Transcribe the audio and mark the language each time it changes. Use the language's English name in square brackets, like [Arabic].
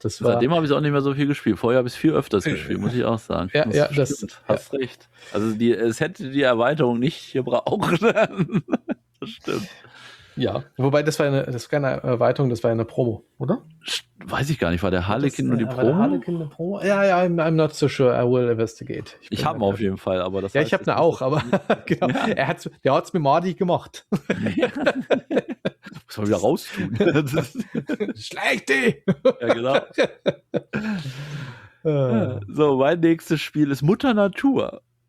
[German] Seitdem habe ich auch nicht mehr so viel gespielt. Vorher habe ich es viel öfters gespielt, muss ich auch sagen. Hast recht. Also es hätte die Erweiterung nicht gebraucht. Das stimmt. Ja, wobei das war keine Erweiterung, das war eine Promo, oder? Weiß ich gar nicht, war der Harlekin nur die Promo? [English] Ja, I'm not so sure, I will investigate. [German] Ich habe ihn auf jeden Fall, aber das ja, heißt, ich habe ihn auch, aber genau. Ja. Der hat es mit Mordi gemacht. Ja. Muss man wieder raus tun. Schlechte! Ja, genau. So, mein nächstes Spiel ist Mutter Natur.